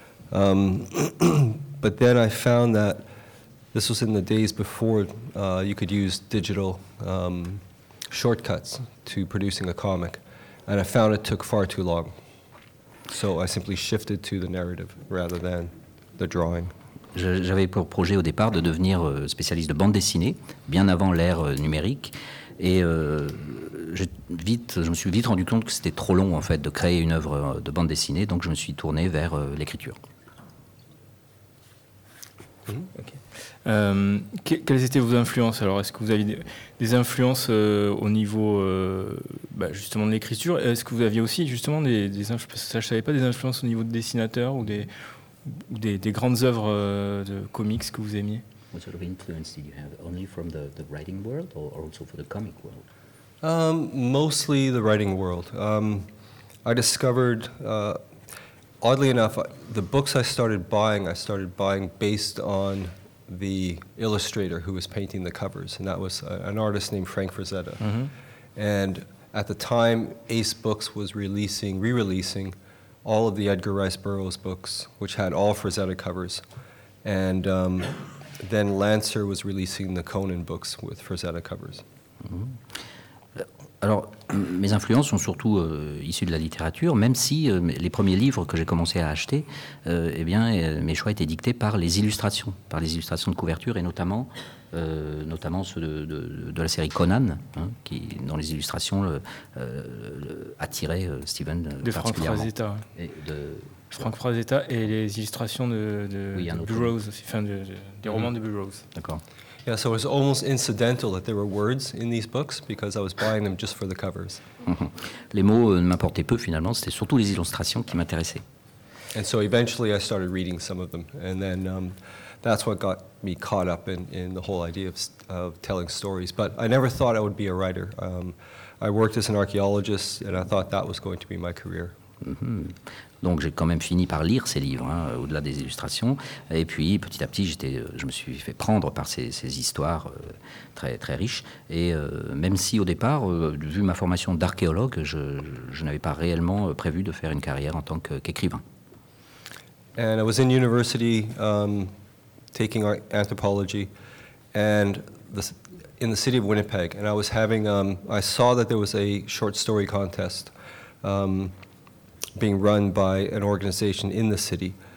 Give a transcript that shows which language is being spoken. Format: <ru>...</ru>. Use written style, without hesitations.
<en>but then I found that this was in the days before you could use digital shortcuts to producing a comic. And I found it took far too long. So I simply shifted to the narrative rather than the drawing.</en> <fr>J'avais pour projet au départ de devenir spécialiste de bande dessinée, bien avant l'ère numérique. Et je me suis vite rendu compte que c'était trop long en fait de créer une œuvre de bande dessinée, donc je me suis tourné vers l'écriture. Okay. Quelles étaient vos influences? Alors, est-ce que vous aviez des influences au niveau justement de l'écriture? Est-ce que vous aviez aussi justement des influences, parce que ça, je savais pas, des influences au niveau de dessinateurs ou des grandes œuvres de comics que vous aimiez?</fr> <en>What sort of influence did you have, only from the writing world or also for the comic world? Mostly the writing world. I discovered, oddly enough, the books I started buying based on the illustrator who was painting the covers, and that was an artist named Frank Frazetta. Mm-hmm. And at the time, Ace Books was re-releasing all of the Edgar Rice Burroughs books, which had all Frazetta covers, and then Lancer was releasing the Conan books with Frazetta covers. Mm-hmm.</en> <fr>Alors, mes influences sont surtout issues de la littérature, même si les premiers livres que j'ai commencé à acheter, mes choix étaient dictés par les illustrations de couverture, et notamment ceux de la série Conan, dont les illustrations attiraient Steven particulièrement. Frank Frazetta et les illustrations de Burroughs, des romans de Burroughs. D'accord.</fr> <en>Yeah, so it was almost incidental that there were words in these books because I was buying them just for the covers.</en> <fr>Les mots m'importaient peu finalement, c'était surtout les illustrations qui m'intéressaient.</fr> <en>And so eventually I started reading some of them, and then that's what got me caught up in the whole idea of telling stories. But I never thought I would be a writer. I worked as an archaeologist and I thought that was going to be my career. Mm-hmm.</en> <fr>Donc j'ai quand même fini par lire ces livres, au-delà des illustrations. Et puis, petit à petit, je me suis fait prendre par ces histoires très, très riches. Et même si au départ, vu ma formation d'archéologue, je n'avais pas réellement prévu de faire une carrière en tant qu'écrivain.</fr> <en>And I was in university taking anthropology and in the city of Winnipeg. And I was having, I saw that there was a short story contest being run by an organization in the city.</en>